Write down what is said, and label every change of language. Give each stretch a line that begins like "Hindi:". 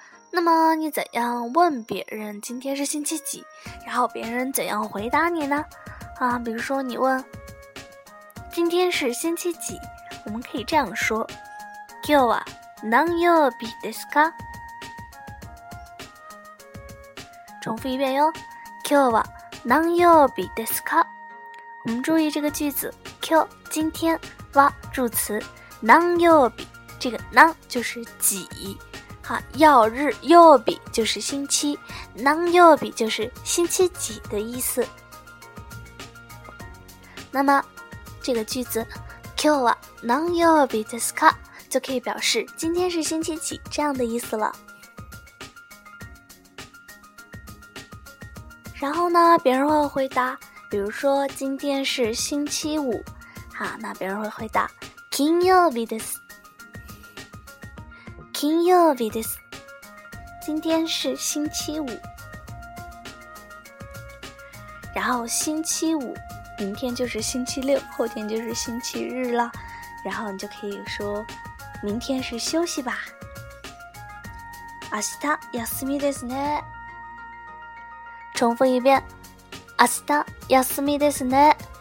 Chinese: 那么你怎样问别人今天是星期几，然后别人怎样回答你呢？比如说你问今天是星期几，我们可以这样说：
Japanese: 今日は何曜日ですか？
Chinese: 重复一遍哟，
Japanese: 今日は何曜日ですか？
Chinese: 我们注意这个句子，今天は助词，何曜日，这个何就是几，曜日，曜日就是星期，何曜日就是星期几的意思。那么这个句子
Japanese: 今日は何曜日ですか，
Chinese: 就可以表示今天是星期几这样的意思了。然后呢，别人会回答，比如说今天是星期五，好，那别人会回答
Japanese: 金曜日です。金曜日です。
Chinese: 今天是星期五。然后星期五，明天就是星期六，后天就是星期日了，然后你就可以说明天是休息吧。
Japanese: 明日休みですね。
Chinese: 重复一遍，
Japanese: 明日休みですね。